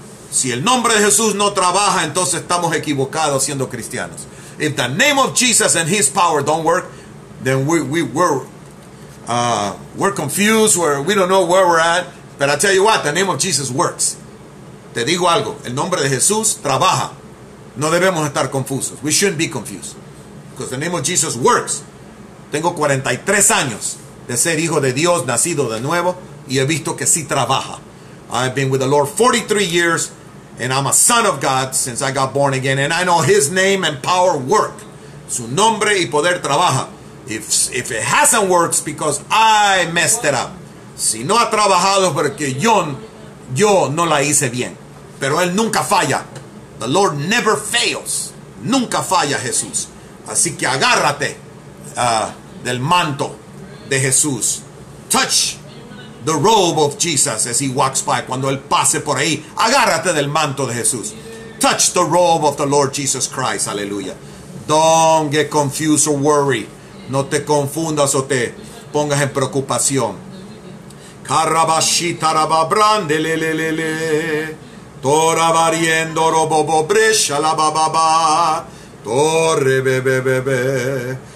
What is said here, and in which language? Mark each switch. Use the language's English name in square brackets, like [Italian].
[Spanish] Si el nombre de Jesús no trabaja, entonces estamos equivocados siendo cristianos. [English] If the name of Jesus and his power don't work, then we're confused, we don't know where we're at. But I tell you what, the name of Jesus works. [Spanish] Te digo algo, el nombre de Jesús trabaja. No debemos estar confusos. [English] We shouldn't be confused. Because the name of Jesus works. [Spanish] Tengo 43 años de ser hijo de Dios, nacido de nuevo, y he visto que sí trabaja. [English] I've been with the Lord 43 years, and I'm a son of God since I got born again, and I know his name and power work. [Spanish] Su nombre y poder trabaja. [English] If it hasn't worked, because I messed it up. [Spanish] Si no ha trabajado, porque yo no la hice bien. Pero él nunca falla. [English] The Lord never fails. [Spanish] Nunca falla Jesús. Así que agárrate del manto de Jesús. [English] Touch the robe of Jesus as he walks by. [Spanish] Cuando él pase por ahí, agárrate del manto de Jesús. [English] Touch the robe of the Lord Jesus Christ. Aleluya. Don't get confused or worry. [Spanish] No te confundas o te pongas en preocupación. Carabashita rababrande lelelele. Tora variendo robobo brecha la bababa. Torre bebebebe.